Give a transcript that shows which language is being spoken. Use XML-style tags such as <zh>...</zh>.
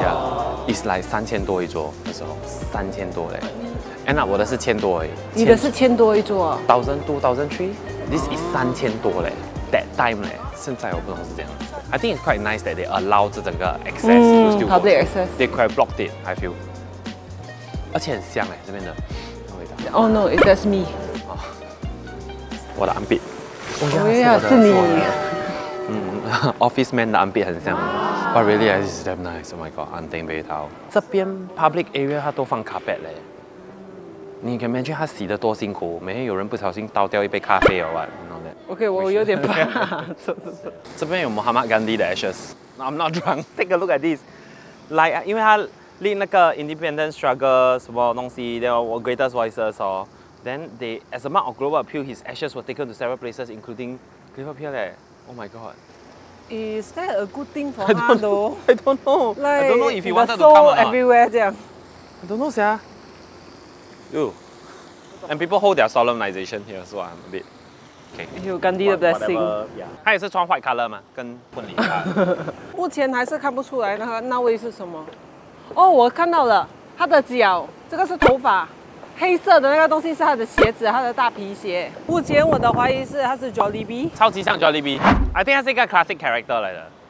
<zh>Yeah, it's like 3000多一桌的时候，3000多嘞。 Anna， 我的是千多哎。你的是千多一桌。 1000多, 1000 3 This is 3000多嘞。</zh> <en>That time</en> <zh>嘞，现在我不懂是这样。</zh> <en>I think it's quite nice that they allow</en> <zh>这整个</zh> <en>access、mm, to still public access. They quite blocked it. I feel.</en> <zh>而且很香哎，这边的味道。</zh> <en>Oh no, it does me. 哦，</en> <zh>我的 armpit。</zh> <en>Oh yeah,</en> <zh>是你。</zh> <en>嗯，Office man</en> <zh>的 armpit 很像。</zh> <en>But really, it's damn nice. Oh my god, I'm damn very tall.</en> <zh>这边 public area 它都放 carpet 嘞。你可以 imagine 它洗得多辛苦，每天有人不小心倒掉一杯咖啡</zh> <en>or what, you know that.</en> <zh>Okay, 我有点怕。这边有</zh> <en>Muhammad Gandhi 的 ashes. I'm not drunk. Take a look at this.</en> <zh>Like, 因为它立那个 independent struggle 什么东西，然后</zh> <en>greatest voices</en> <zh>哦。</zh> <en>Then they, as a mark of global appeal, his ashes were taken to several places, including Clifford Pier. Oh my god. Is that a good thing for him though? I don't know. Like, I don't know if he wanted to come everywhere. I don't know, sia. Ooh. And people hold their solemnization here, so I'm a bit. Okay. You Gandhi the blessing. Yeah. He is wearing white color, ma.</en> <zh>跟婚礼。目前还是看不出来那个那位是什么。哦，我看到了，他的脚，这个是头发。黑色的那个东西是他的鞋子，他的大皮鞋。目前我的怀疑是他是 Jollibee，超级像 Jollibee。</zh> <en>I think</en> <zh>他是一个 classic character 来的。</zh>